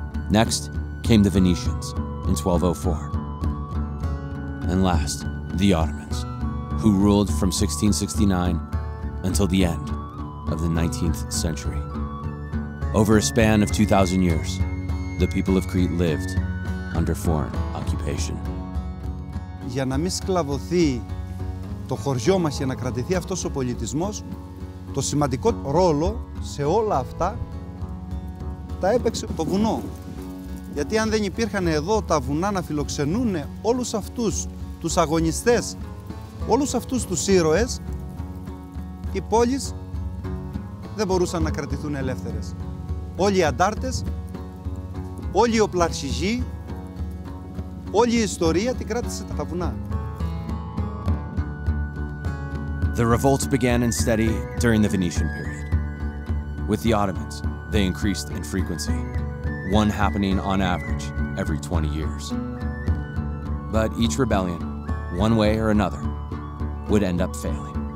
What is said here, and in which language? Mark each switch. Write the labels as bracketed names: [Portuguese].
[English] Next came the Venetians in 1204. And last, the Ottomans, who ruled from 1669 until the end of the 19th century. Over a span of 2,000 years, the people of Crete lived under foreign occupation. [Greek] Για να μην σκλαβωθεί το χωριό μας, για να κρατηθεί αυτός ο πολιτισμός, το σημαντικό ρόλο σε όλα αυτά τα έπαιξε το βουνό. Γιατί αν δεν υπήρχαν εδώ τα βουνά να φιλοξενούν όλους αυτούς τους αγωνιστές, όλους αυτούς τους ήρωες, οι πόλεις δεν μπορούσαν να κρατηθούν ελεύθερες. Όλοι οι αντάρτες, όλοι οι οπλαρχηγοί, όλη η ιστορία την κράτησε τα βουνά. [English] The revolts began in steady during the Venetian period. With the Ottomans, they increased in frequency, one happening on average every 20 years. But each rebellion, one way or another, would end up failing.